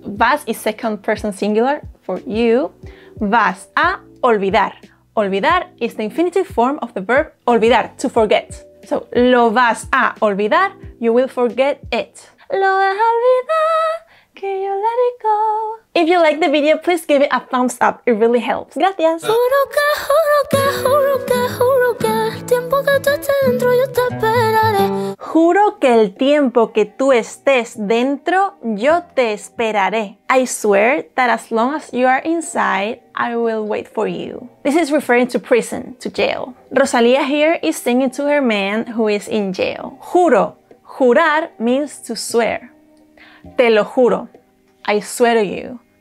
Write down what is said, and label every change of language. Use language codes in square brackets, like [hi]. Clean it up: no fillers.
[en] Vas is second person singular for you. [es] Vas a olvidar. [en] Olvidar is the infinitive form of the verb olvidar, to forget. So [es] lo vas a olvidar, [en] you will forget it. [es] Lo vas a olvidar. [en] Can you let it go? If you like the video, please give it a thumbs up. It really helps. [es] Gracias. Juro que, juro que, juro que, juro que el tiempo que tú estés dentro yo te esperaré. Juro que el tiempo que tú estés dentro yo te esperaré. [en] I swear that as long as you are inside, I will wait for you. This is referring to prison, to jail. Rosalía here is singing to her man who is in jail. Juro. Jurar means to swear. [es] Te lo juro. [en] I swear to you.